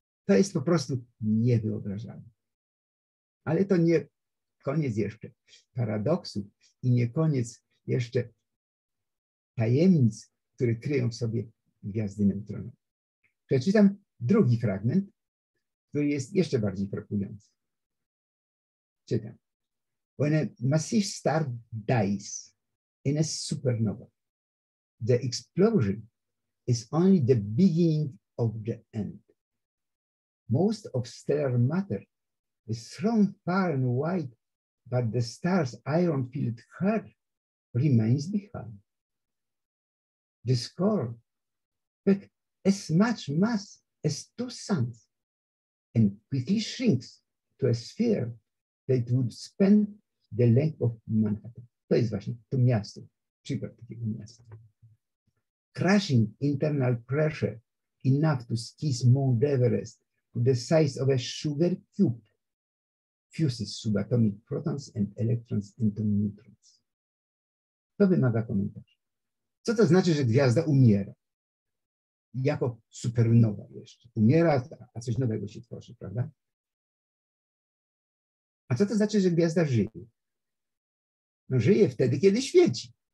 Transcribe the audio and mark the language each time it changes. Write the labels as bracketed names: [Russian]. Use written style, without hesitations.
[Polish] To jest po prostu niewyobrażalne. Ale to nie koniec jeszcze paradoksu i nie koniec jeszcze tajemnic, które kryją w sobie gwiazdy neutronowe. Przeczytam drugi fragment, który jest jeszcze bardziej frapujący. Czytam. [English] When a massive star dies in a supernova, the explosion is only the beginning of the end. Most of stellar matter is thrown far and wide, but the star's iron-filled heart remains behind. This core packs as much mass as two suns and quickly shrinks to a sphere that would span the length of Manhattan. [Polish] To jest właśnie to miasto, przykład takiego miasta. [English] Crushing internal pressure enough to skis Mount Everest to the size of a sugar cube fuses subatomic protons and electrons into neutrons. [Polish] To wymaga komentarza. Co to znaczy, że gwiazda umiera? Jako supernowa jeszcze. Umiera, a coś nowego się tworzy, prawda? A co to znaczy, że gwiazda żyje? No żyje wtedy, kiedy świeci.